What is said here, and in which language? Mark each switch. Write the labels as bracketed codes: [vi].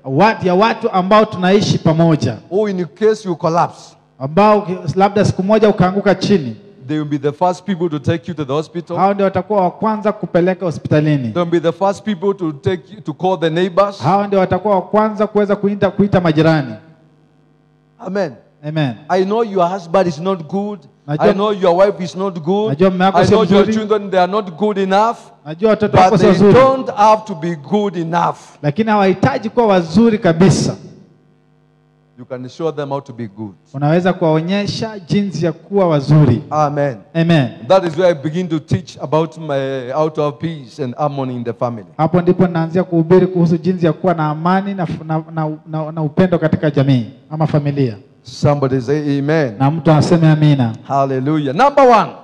[sw] watu ya watu ambao tunaishi pamoja. [en] Oh, in case you collapse, [sw] ambao labda siku moja ukaanguka chini, [en] they will be the first people to take you to the hospital. [sw] Hao ndio watakuwa wa kwanza kupeleka hospitalini. [en] They will be the first people to take you, to call the neighbors. [sw] Hao ndio watakuwa wa kwanza kuweza kuita majirani. Amen. Amen. [en] I know your husband is not good. Najua, I know your wife is not good. [sw] Najua mume wako si mzuri. [en] I know your children, they are not good enough. [sw] Najua watoto wako si [en] wazuri. But they don't have to be good enough. [sw] Lakini hawahitaji kuwa wazuri kabisa. [en] You can show them how to be good. [sw] Unaweza kuwaonyesha jinsi ya kuwa wazuri. Amen. Amen. [en] That is where I begin to teach about my how to have peace and harmony in the family. [sw] Hapo ndipo naanzia kuhubiri kuhusu jinsi ya kuwa na amani na upendo katika jamii ama familia. [en] Somebody say amen. [sw] Na mtu aseme amina. [en] Hallelujah. Number one.